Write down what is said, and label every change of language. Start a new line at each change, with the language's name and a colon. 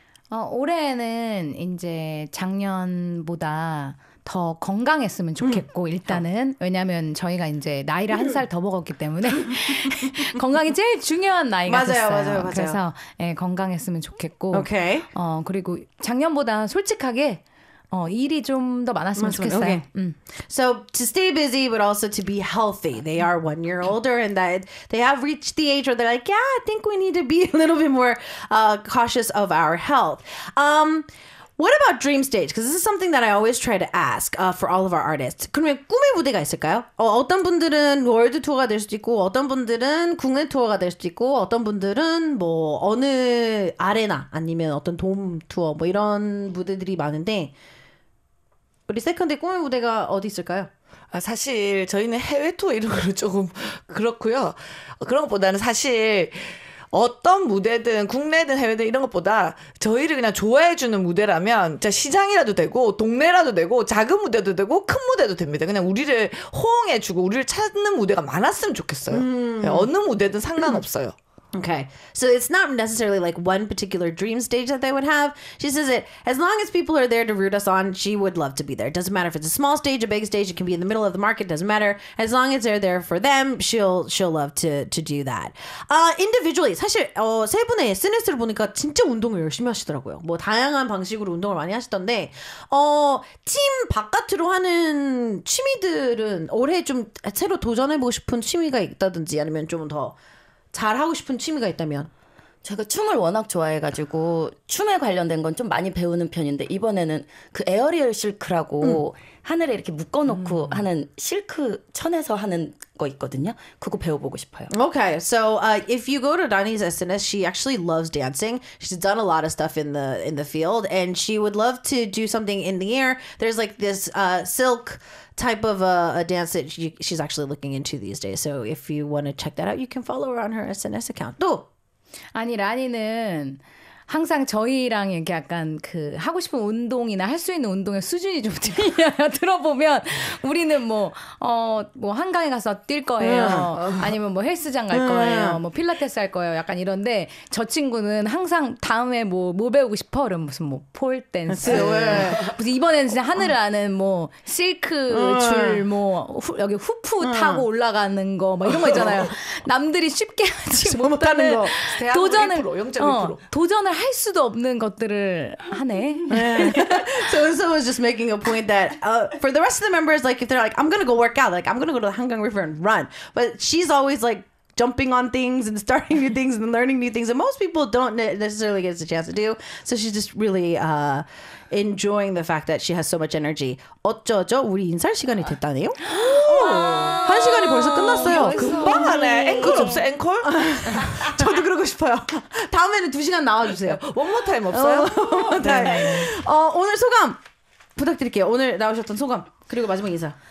Korean: 올해는 이제 작년보다 더 건강했으면 좋겠고 일단은 왜냐하면 저희가 이제 나이를 한 살 더 먹었기 때문에 건강이 제일 중요한 나이가 맞아요, 됐어요. 맞아요, 맞아요. 그래서 예, 건강했으면 좋겠고 오케이. 그리고 작년보다 솔직하게 일이 좀 더 많았으면 좋겠어요.
English: Okay. So to stay busy, but also to be healthy. They are 1 year older and that they have reached the age where they're like, yeah, I think we need to be a little bit more cautious of our health. What about dream stage? Because this is something that I always try to ask for all of our artists.
Korean: 그러면 꿈의 무대가 있을까요? 어떤 분들은 월드 투어가 될 수도 있고, 어떤 분들은 국내 투어가 될 수도 있고, 어떤 분들은 뭐 어느 아레나 아니면 어떤 돔 투어 뭐 이런 무대들이 많은데 우리 세컨드 꿈의 무대가 어디 있을까요? 사실 저희는 해외 투어 이런 걸 조금 그렇고요. 그런 것보다는 사실 어떤 무대든 국내든 해외든 이런 것보다 저희를 그냥 좋아해주는 무대라면 진짜 시장이라도 되고 동네라도 되고 작은 무대도 되고 큰 무대도 됩니다. 그냥 우리를 호응해주고 우리를 찾는 무대가 많았으면 좋겠어요. 어느 무대든 상관없어요.
English: Okay, so it's not necessarily like one particular dream stage that they would have. She says it, as long as people are there to root us on, she would love to be there. Doesn't matter if it's a small stage, a big stage, it can be in the middle of the market, doesn't matter. As long as they're there for them, she'll love to do that.
Korean: Individually, 사실 세 분의 SNS를 보니까 진짜 운동을 열심히 하시더라고요. 뭐 다양한 방식으로 운동을 많이 하시던데 팀 바깥으로 하는 취미들은 올해 좀 새로 도전해보고 싶은 취미가 있다든지 아니면 좀 더 잘하고 싶은 취미가 있다면? 제가 춤을 워낙 좋아해가지고 춤에 관련된 건 좀 많이 배우는 편인데 이번에는 그 에어리얼 실크라고 하늘에 이렇게 묶어놓고 하는 실크 천에서 하는 거 있거든요. 그거 배워보고 싶어요.
English: Okay, so if you go to Dani's SNS, she actually loves dancing. She's done a lot of stuff in the field and she would love to do something in the air. There's like this silk type of a dance that she's actually looking into these days. So if you want to check that out, you can follow her on her SNS account.
Korean: 또! 아니, 라니는 항상 저희랑 이렇게 약간 그 하고 싶은 운동이나 할 수 있는 운동의 수준이 좀 틀려요. 들어보면 우리는 뭐 한강에 가서 뛸 거예요. 아니면 뭐 헬스장 갈 거예요. 뭐 필라테스 할 거예요. 약간 이런데 저 친구는 항상 다음에 뭐 배우고 싶어? 그럼 무슨 뭐 폴 댄스. 무슨 이번에는 진짜 하늘을 아는 뭐 실크 줄 뭐 여기 후프 타고 올라가는 거 막 이런 거 있잖아요. 남들이 쉽게 하지 못하는 거. 도전을 0.1%. 도전을 할 수도 없는 것들을 하네.
English: So Unseo was just making a point that for the rest of the members, like if they're like, I'm gonna go work out, like I'm gonna go to the Hangang River and run, but she's always like jumping on things and starting new things and learning new things that most people don't necessarily get the chance to do. So she's just really enjoying the fact that she has so much energy.
Korean: 어쩌죠? 우리 인사할 시간이 됐다네요. 한 시간이 벌써 끝났어요. 금방하네. 앵콜 없어? 앵콜? 저도 그러고 싶어요. 다음에는 두 시간 나와주세요. 원모 타임 없어요? 원모 타임. 오늘 소감 부탁드릴게요. 오늘 나오셨던 소감 그리고 마지막 인사.